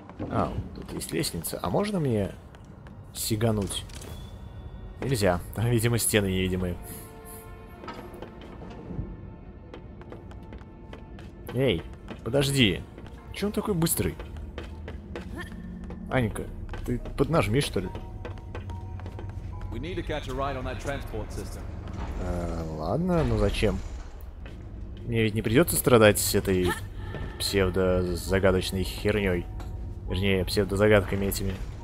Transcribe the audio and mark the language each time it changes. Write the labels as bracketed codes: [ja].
[ru] А, тут есть лестница. А можно мне сигануть? Нельзя. Там, видимо, стены невидимые. Эй, подожди. Чё он такой быстрый? Анька, ты поднажми, что ли? [en] We need to catch a ride on that transport system. [ru] Ладно, но зачем? Мне ведь не придется страдать с этой псевдозагадочной херней. Вернее, псевдозагадками этими.